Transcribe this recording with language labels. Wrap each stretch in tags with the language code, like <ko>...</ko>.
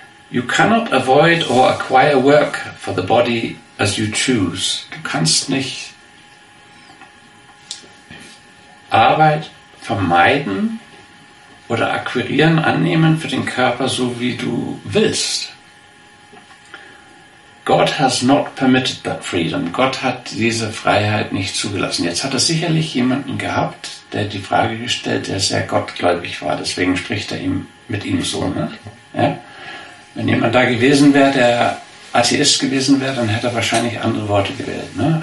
<en>You cannot avoid or acquire work for the body as you choose.</en> <de>Du kannst nicht Arbeit vermeiden oder akquirieren, annehmen für den Körper, so wie du willst.</de> <en>God has not permitted that freedom.</en> <de>Gott hat diese Freiheit nicht zugelassen. Jetzt hat er sicherlich jemanden gehabt, der die Frage gestellt, der sehr gottgläubig war. Deswegen spricht er ihm mit ihm so. Ne? Ja? Wenn jemand da gewesen wäre, der Atheist gewesen wäre, dann hätte er wahrscheinlich andere Worte gewählt. Ne?</de>